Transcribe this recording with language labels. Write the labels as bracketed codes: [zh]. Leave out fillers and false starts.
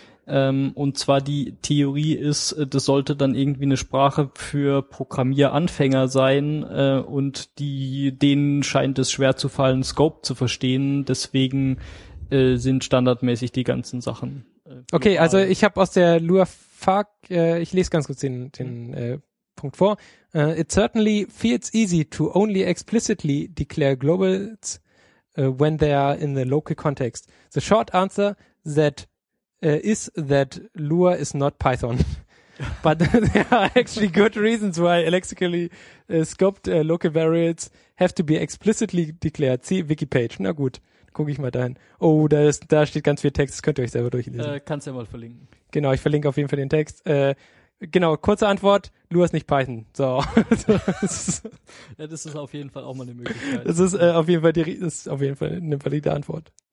[de] Und zwar die Theorie ist, das sollte dann irgendwie eine Sprache für Programmieranfänger sein und denen scheint es schwer zu fallen, Scope zu verstehen. Deswegen sind standardmäßig die ganzen Sachen. Okay, also ich habe aus der Lua-Fak, ich lese ganz kurz den Punkt vor. [en] It certainly feels easy to only explicitly declare globals when they are in the local context. The short answer is that Lua is not Python. But there are actually good reasons why lexically scoped local variables have to be explicitly declared. See Wikipage. [de] Na gut. Gucke ich mal dahin. Oh, da steht ganz viel Text, das könnt ihr euch selber durchlesen. Kannst ja mal verlinken. Genau, ich verlinke auf jeden Fall den Text. Genau, kurze Antwort, Lua ist nicht Python. So. das ist auf jeden Fall auch mal eine Möglichkeit. Das ist auf jeden Fall eine valide Antwort.